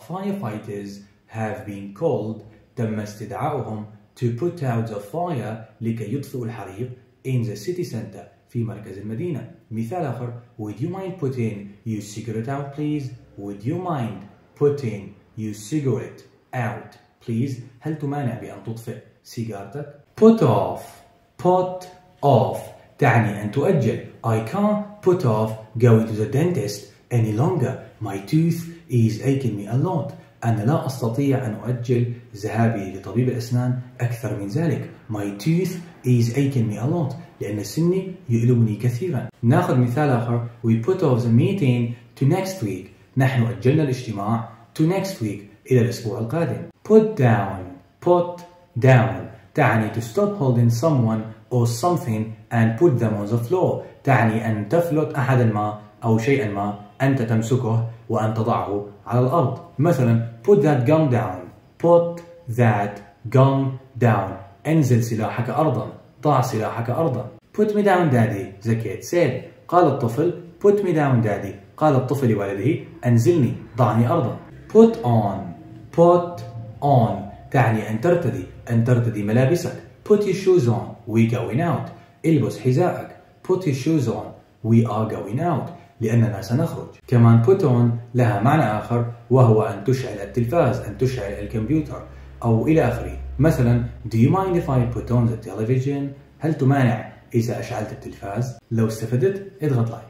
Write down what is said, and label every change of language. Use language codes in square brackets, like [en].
[en] Firefighters have been called. [ar] تم استدعاؤهم [en] to put out the fire [ar] لكي يطفئ الحريق. [en] In the city center, [ar] في مركز المدينة. مثال آخر, [en] would you mind putting your cigarette out, please? Would you mind putting your cigarette out, please? [ar] هل تمانع بأن تطفئ سيجارتك؟ [en] Put off. Put off. [ar] تعني أن تؤجل. [en] I can't put off going to the dentist any longer. My tooth is aching me a lot. [ar] أنا لا أستطيع أن أؤجل ذهابي لطبيب الأسنان أكثر من ذلك. [en] My tooth is aching me a lot. [ar] لأن سني يؤلمني كثيرا. نأخذ مثال آخر. [en] We put off the meeting to next week. [ar] نحن أجلنا الاجتماع [en] to next week. [ar] إلى الأسبوع القادم. [en] Put down. Put down. تعني to stop holding someone or something and put them on the floor. [ar] تعني أن تفلت أحدا ما أو شيئا ما أنت تمسكه وأن تضعه على الأرض. [en] مثلا put that gun down. Put that gun down. [ar] انزل سلاحك أرضا. ضع سلاحك أرضا. [en] Put me down daddy. The kid said. [ar] قال الطفل [en] put me down daddy. [ar] قال الطفل لوالده انزلني ضعني أرضا. [en] Put on. Put on. [ar] تعني أن ترتدي. أن ترتدي ملابسك. [en] Put your shoes on. We going out. [ar] البس حذائك. [en] Put your shoes on. We are going out. [ar] لأننا سنخرج. كمان put on لها معنى آخر وهو أن تشعل التلفاز, أن تشعل الكمبيوتر أو إلى آخره. مثلا [en] do you mind if I put on the television؟ [ar] هل تمانع إذا أشعلت التلفاز؟ لو استفدت اضغط like.